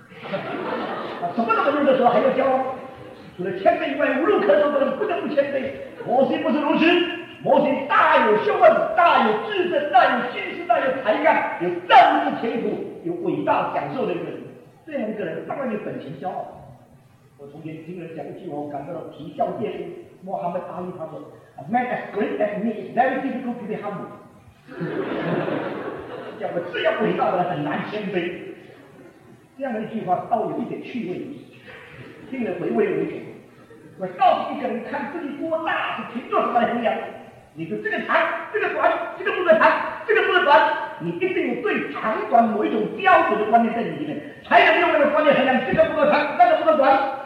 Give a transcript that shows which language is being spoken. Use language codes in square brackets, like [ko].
[zh] 啊，什么都不如的时候还要骄傲。除了谦卑以外，无路可走的人不能不谦卑。摩西不是如此，摩西大有学问，大有智识，大有心思，大有才干，有战略前途，有伟大享受的一个人。这样一个人当然有本钱骄傲。我从前听人讲一句话，我感到啼笑皆非。穆罕默德阿里他说 [en] ：“A man as great as me is very difficult to be humble。” [zh] 讲我这样伟大的人很难谦卑。这样的一句话倒有一点趣味。听了回味无穷。我告诉一个人看自己多大是凭着什么来衡量，你说这个长这个短这个不能长这个不能短，你一定有对长短某一种标准的观念在里面，才能用那个观念衡量这个不能长那个不能短。